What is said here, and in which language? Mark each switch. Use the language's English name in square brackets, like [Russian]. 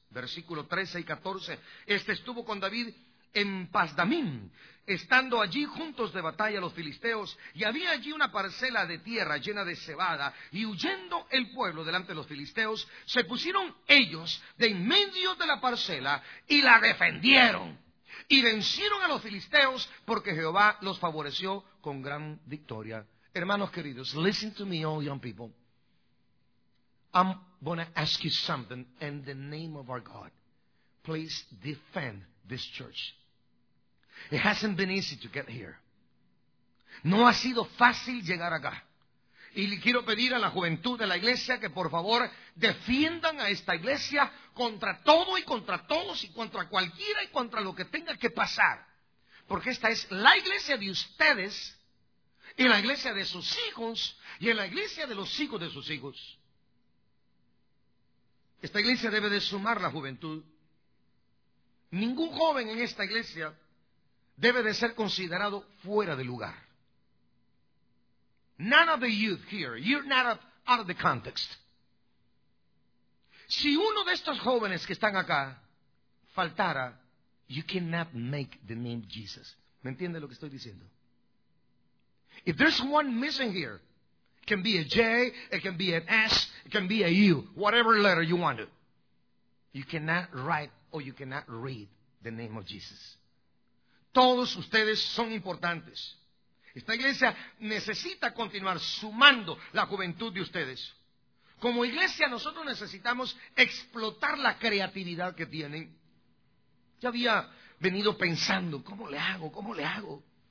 [Spanish] Versículo 13 y 14. Este estuvo con David en Pasdamín, estando allí juntos de batalla los filisteos, y había allí una parcela de tierra llena de cebada, y huyendo el pueblo delante de los filisteos, se pusieron ellos de en medio de la parcela y la defendieron, y vencieron a los filisteos, porque Jehová los favoreció con gran victoria. Hermanos queridos, [English] listen to me, all young people. I'm gonna ask you something in the name of our God. Please defend this church. It hasn't been easy to get here. [Spanish] No ha sido fácil llegar acá. Y le quiero pedir a la juventud de la iglesia que por favor defiendan a esta iglesia contra todo y contra todos y contra cualquiera y contra lo que tenga que pasar. Porque esta es la iglesia de ustedes y en la iglesia de sus hijos, y en la iglesia de los hijos de sus hijos. Esta iglesia debe de sumar la juventud. Ningún joven en esta iglesia debe de ser considerado fuera de lugar. [English] None of the youth here, you're not out of the context. [Spanish] Si uno de estos jóvenes que están acá faltara, [English] you cannot make the name Jesus. [Spanish] ¿Me entiende lo que estoy diciendo? [English] If there's one missing here, it can be a J, it can be an S, it can be a U, whatever letter you want it. You cannot write or you cannot read the name of Jesus. [Spanish] Todos ustedes son importantes. Esta iglesia necesita continuar sumando la juventud de ustedes. Como iglesia, nosotros necesitamos explotar la creatividad que tienen. Ya había venido pensando, ¿cómo le hago? ¿Cómo le hago?